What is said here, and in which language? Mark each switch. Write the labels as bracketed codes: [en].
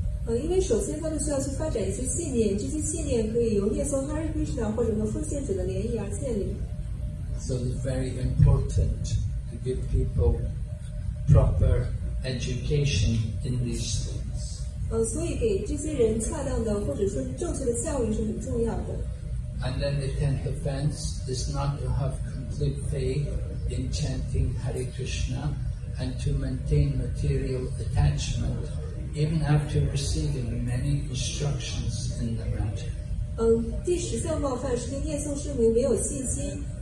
[zh] 因为首先他们需要去发展一些信念，这些信念可以由念诵 Hare Krishna 或者和奉献者的联谊而建立。 [en] So it's very important to give people proper education in these things. [zh] 所以给这些人恰当的或者说正确的教育是很重要的。 [en] And then the tenth offense is not to have complete faith in chanting Hare Krishna and to maintain material attachment even after receiving many instructions in the matter. [zh] 第十项冒犯是对念诵圣名没有信心。